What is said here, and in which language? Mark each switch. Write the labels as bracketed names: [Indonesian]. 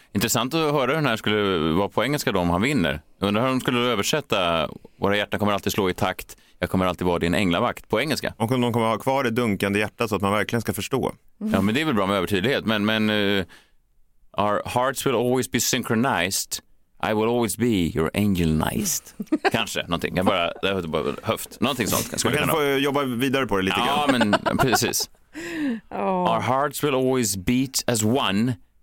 [Swedish] Intressant att höra hur den här skulle vara på engelska då, om han vinner. Jag undrar hur de skulle översätta våra hjärtan kommer alltid slå i takt. Jag kommer alltid vara din änglavakt på engelska. Och om de kommer ha kvar det dunkande hjärtat så att man verkligen ska förstå. Mm. Ja, men det är väl bra med övertydlighet. [English] Men our hearts will always be synchronized. I will always be your angelized. [Swedish] Kanske, någonting. Jag bara, det är bara höft. Någonting sånt. Man kan få jobba vidare på det lite grann. Ja, men precis. Oh. [English] Our hearts will always beat as one.